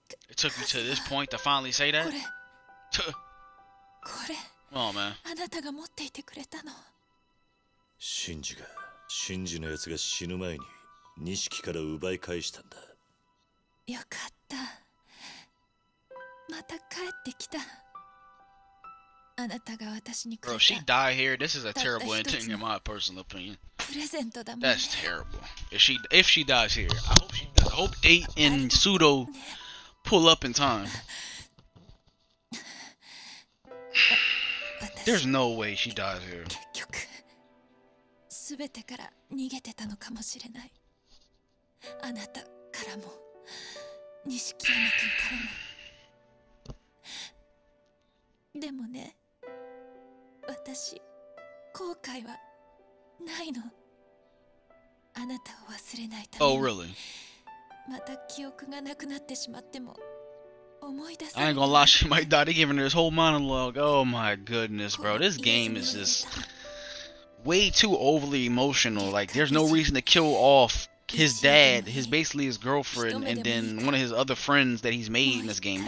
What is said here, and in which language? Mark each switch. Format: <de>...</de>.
<en>It took you to this point to finally say that?</en> <ja>これ。これ。</ja> <en>Oh, man.</en> <ja>あなたが持っていてくれたの。シンジのやつが死ぬ前に、ニシキから奪い返したんだ。よかった。また帰ってきた。あなたが私にくれた。</ja> <en>Bro, she died here. This is a terrible ending, in my personal opinion.</en> <ja>プレゼントだもんね。</ja> <en>That's terrible. If she dies here, I hope Date and Sudo pull up in time. There's no way she dies here.</en> <ja>結局、すべてから逃げてたのかもしれない。あなたからも、錦山君からも。でもね。私、後悔はないの。あなたを忘れないために。</ja> <en>Oh, really?</en> <ja>また記憶がなくなってしまっても、思い出せ。</ja> <en>I ain't gonna lie, she might die. They giving her this whole monologue. Oh my goodness, bro. This game is just way too overly emotional. Like, there's no reason to kill off his dad, basically his girlfriend, and then one of his other friends that he's made in this game.</en>